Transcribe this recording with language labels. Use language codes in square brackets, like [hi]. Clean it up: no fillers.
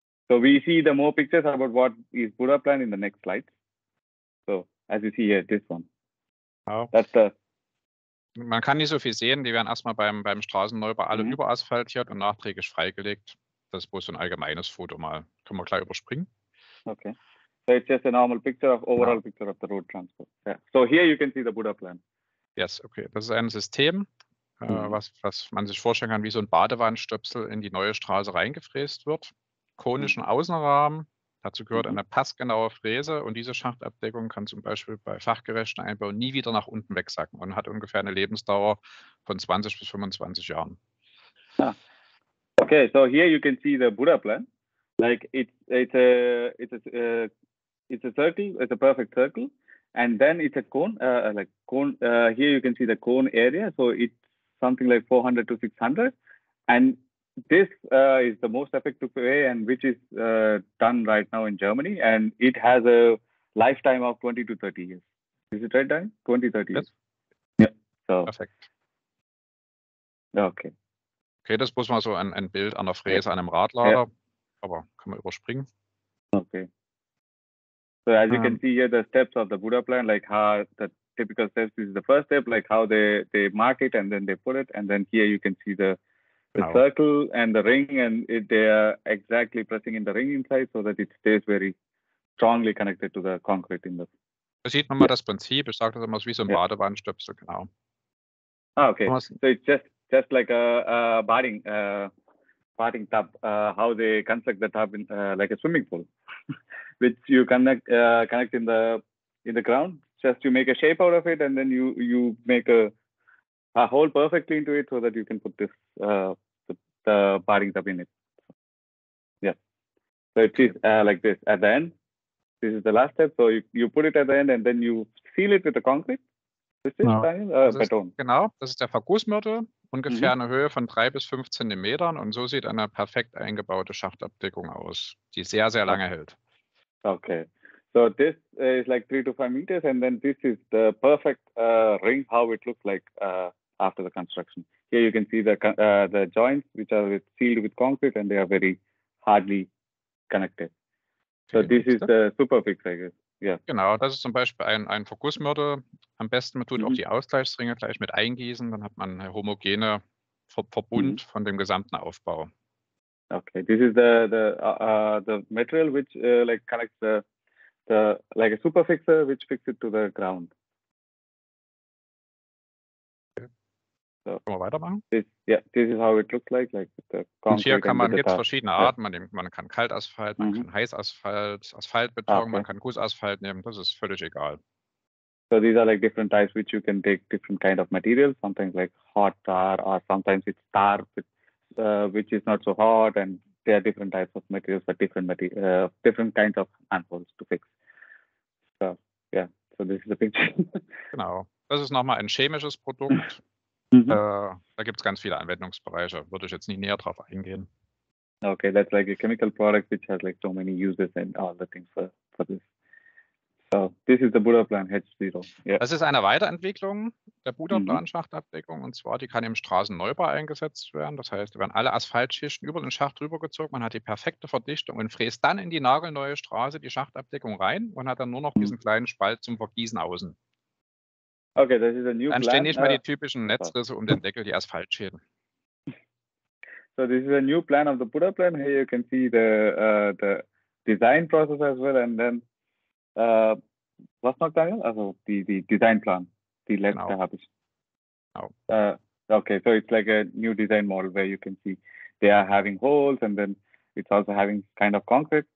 [en] So we see the more pictures about what is Buda plan in the next slide. So as you see here, this one. Oh. That's the... [de] Man kann nicht so viel sehen, die werden erstmal beim Straßenneubau alle überasphaltiert und nachträglich freigelegt. Das ist bloß so ein allgemeines Foto mal. Können wir gleich überspringen. [en] Okay. So it's just a normal picture of overall picture of the road transport. Yeah. So here you can see the Buddha plan. Yes, okay. [de] Das ist ein System, was man sich vorstellen kann, wie so ein Badewannenstöpsel in die neue Straße reingefräst wird. Konischen Außenrahmen. Dazu gehört eine passgenaue Fräse und diese Schachtabdeckung kann zum Beispiel bei fachgerechten Einbau nie wieder nach unten wegsacken und hat ungefähr eine Lebensdauer von 20 bis 25 Jahren. [en] Ah. Okay, so here you can see the Buddha plan. Like it's a circle, it's a perfect circle, and then it's a cone. Here you can see the cone area. So it's something like 400 to 600, and this is the most effective way and which is done right now in Germany, and it has a lifetime of 20 to 30 years. Is it right, Dan? 20, 30 years. Yes. Yeah. So. Perfect. Okay. [de] Okay, das muss man so ein Bild an der Fräse an einem Radlader, aber kann man überspringen. [en] Okay. So as you can see here, the steps of the Buddha plan, like how the typical steps, this is the first step, like how they mark it and then they put it. And then here you can see the circle and the ring, and they are exactly pressing in the ring inside so that it stays very strongly connected to the concrete in the. [de] Da sieht man mal das Prinzip. Ich sage das immer, wie so ein Badewannenstöpsel, genau. [en] Ah, okay. So it's just like a bathing tub, how they construct the tub in like a swimming pool, which you connect in the ground. Just you make a shape out of it, and then you make a hole perfectly into it so that you can put this the barring tub in it. So it is like this at the end. This is the last step. So you put it at the end and then you seal it with the concrete. This is beton. [de] Genau, das ist der Vergussmörtel, ungefähr eine Höhe von 3 bis 5 Zentimetern, und so sieht eine perfekt eingebaute Schachtabdeckung aus, die sehr, sehr lange hält. [en] Okay. So this is like 3 to 5 meters, and then this is the perfect ring, how it looks like after the construction. Here you can see the joints, which are sealed with concrete, and they are very hardly connected. So okay, this is the super fix, I guess. Yeah. [de] Genau, das ist zum Beispiel ein Vergussmörtel. Am besten, man tut auch die Ausgleichsringe gleich mit eingießen, dann hat man einen homogenen Verbund von dem gesamten Aufbau. [en] Okay, this is the material which like connects the like a super fixer which fixes it to the ground. [de] So, wir weitermachen? [en] This is how it looks like the [de] concrete. Und hier kann man jetzt verschiedene Arten. Man kann Kaltasphalt, man kann Heißasphalt, Asphaltbeton, man kann Gussasphalt nehmen. Das ist völlig egal. [en] So these are like different types which you can take different kind of materials. Sometimes like hot tar, or sometimes it's tar which is not so hot, and there are different types of materials for different kinds of manholes to fix. So so this is the picture. [de] Genau. Das ist nochmal ein chemisches Produkt. Da gibt es ganz viele Anwendungsbereiche, würde ich jetzt nicht näher drauf eingehen. [en] Okay, that's like a chemical product which has like so many uses and all the things for this. So this is the Buddha plan hedge zero. Yeah. [de] Das ist eine Weiterentwicklung der Buddha plan Schachtabdeckung, und zwar die kann im Straßenneubau eingesetzt werden. Das heißt, werden alle Asphaltschichten über den Schacht rübergezogen, man hat die perfekte Verdichtung und fräst dann in die nagelneue Straße die Schachtabdeckung rein und hat dann nur noch diesen kleinen Spalt zum Vergießen außen. Okay, das ist ein new plan. Dann stehen nicht mal die typischen Netzrisse um den Deckel, die Asphaltschäden. [en] So this is a new plan of the Buddha plan. Here you can see the design process as well, and then [de] was noch, Daniel? Also die Design Plan, die letzte genau. Habe ich. [en] Okay, so it's like a new design model where you can see they are having holes and then it's also having kind of concrete.